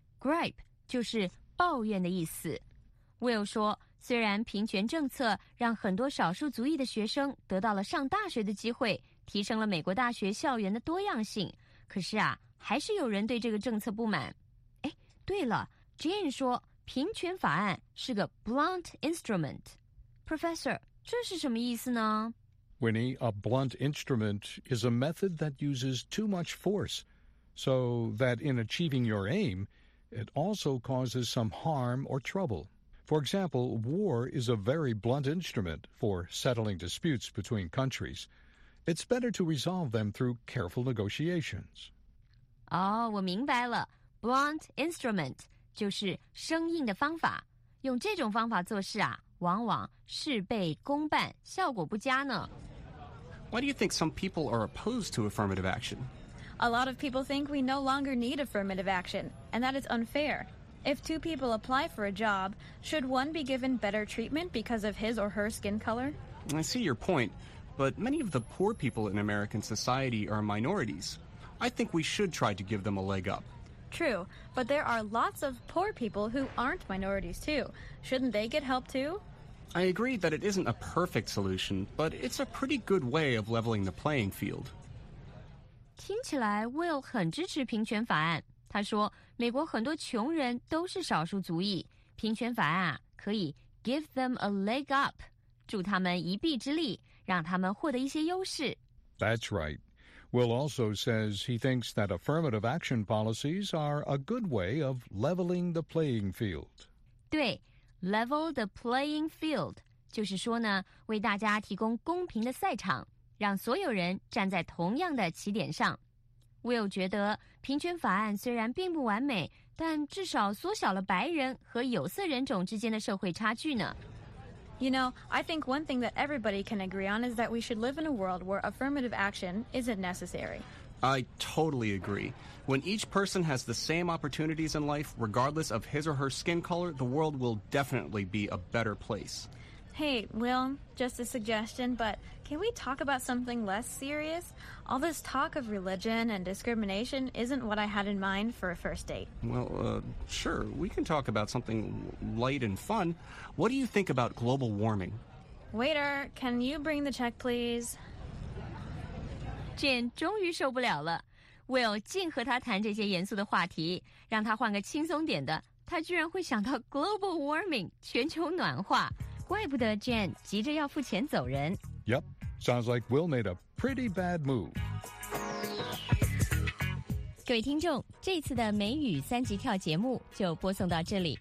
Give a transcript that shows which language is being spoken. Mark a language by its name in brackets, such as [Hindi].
[Chinese] Gripe 就是抱怨的意思。Will 说，虽然平权政策让很多少数族裔的学生得到了上大学的机会，提升了美国大学校园的多样性，可是啊，还是有人对这个政策不满。哎，对了 ，Jane 说平权法案是个 blunt instrument。 Professor， 这是什么意思呢 [English] ？Winnie， a blunt instrument is a method that uses too much force, so that in achieving your aim, it also causes some harm or trouble. For example, war is a very blunt instrument for settling disputes between countries. It's better to resolve them through careful negotiations. [Chinese] Oh, 我明白了。 Blunt instrument 就是生硬的方法。用这种方法做事啊，往往事倍功半，效果不佳呢。 [English] Why do you think some people are opposed to affirmative action? A lot of people think we no longer need affirmative action, and that is unfair. If two people apply for a job, should one be given better treatment because of his or her skin color? I see your point. But many of the poor people in American society are minorities. I think we should try to give them a leg up. True, but there are lots of poor people who aren't minorities too. Shouldn't they get help too? I agree that it isn't a perfect solution, but it's a pretty good way of leveling the playing field. [Chinese] 听起来 Will 很支持平权法案。他说，美国很多穷人都是少数族裔，平权法案可以 [English] give them a leg up, [Chinese] 助他们一臂之力。让他们获得一些优势。 [English] That's right. Will also says he thinks that affirmative action policies are a good way of leveling the playing field. [Chinese] 对 , [English] level the playing field, [Chinese] 就是说呢，为大家提供公平的赛场，让所有人站在同样的起点上。 Will 觉得平权法案虽然并不完美，但至少缩小了白人和有色人种之间的社会差距呢。 [English] You know, I think one thing that everybody can agree on is that we should live in a world where affirmative action isn't necessary. I totally agree. When each person has the same opportunities in life, regardless of his or her skin color, the world will definitely be a better place. Hey, Will, just a suggestion, but can we talk about something less serious? All this talk of religion and discrimination isn't what I had in mind for a first date. Well, sure, we can talk about something light and fun. What do you think about global warming? Waiter, can you bring the check, please? [Chinese] Jane 终于受不了了。Will 竟和他谈这些严肃的话题，让他换个轻松点的，他居然会想到 global warming, 全球暖化。怪不得 Jen 急着要付钱走人。 [English] Yep, sounds like Will made a pretty bad move. [Chinese] 各位听众，这次的美语三级跳节目就播送到这里。